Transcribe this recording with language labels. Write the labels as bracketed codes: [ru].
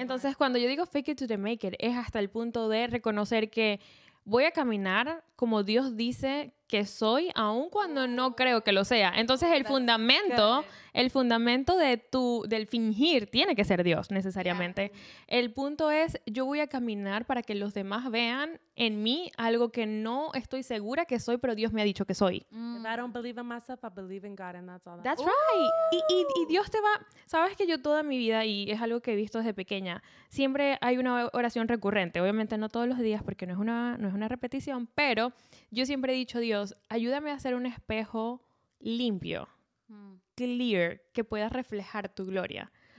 [es] Entonces, cuando yo digo [en] fake it to the make it, [es] es hasta el punto de reconocer que voy a caminar como Dios dice que soy, aun cuando no creo que lo sea. Entonces, el fundamento del fingir tiene que ser Dios, necesariamente. Yeah. El punto es, yo voy a caminar para que los demás vean en mí algo que no estoy segura que soy, pero Dios me ha dicho que soy. [en] If I don't believe in myself, I believe in God, and that's all. That's right. [es] Y Dios te va... Sabes que yo toda mi vida, y es algo que he visto desde pequeña, siempre hay una oración recurrente. Obviamente no todos los días, porque no es una repetición, pero yo siempre he dicho, Dios, ayúdame a hacer un espejo limpio, clear, que pueda reflejar tu gloria.